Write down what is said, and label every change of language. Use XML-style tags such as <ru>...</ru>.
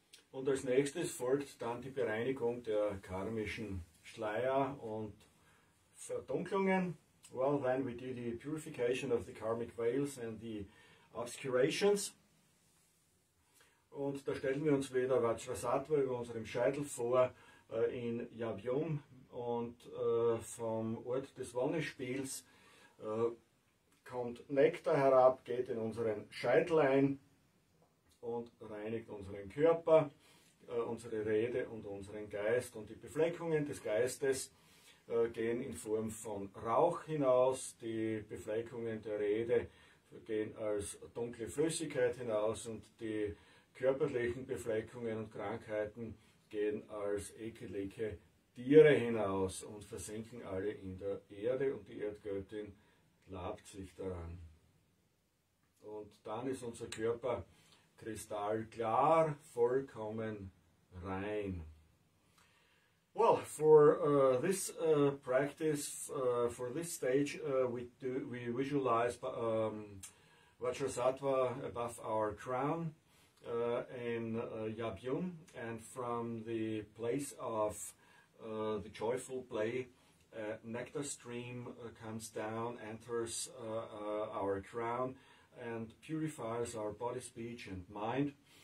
<de>Und als nächstes folgt dann die Bereinigung der karmischen Schleier und Verdunklungen.</de> <en>Well, then we do the purification of the karmic veils and the obscurations.</en> <de>Und da stellen wir uns wieder Vajrasattva über unserem Scheitel vor in Yabyum und vom Ort des Wonnespiels kommt Nektar herab, geht in unseren Scheitel ein und reinigt unseren Körper. Unsere Rede und unseren Geist und die Befleckungen des Geistes gehen in Form von Rauch hinaus, die Befleckungen der Rede gehen als dunkle Flüssigkeit hinaus und die körperlichen Befleckungen und Krankheiten gehen als ekelige Tiere hinaus und versinken alle in der Erde und die Erdgöttin labt sich daran. Und dann ist unser Körper kristallklar, vollkommen rein.</de> <en>Well, for this practice, for this stage, we visualize Vajrasattva above our crown in Yabyum, and from the place of the joyful play, a nectar stream comes down, enters our crown, and purifies our body, speech, and mind.</en>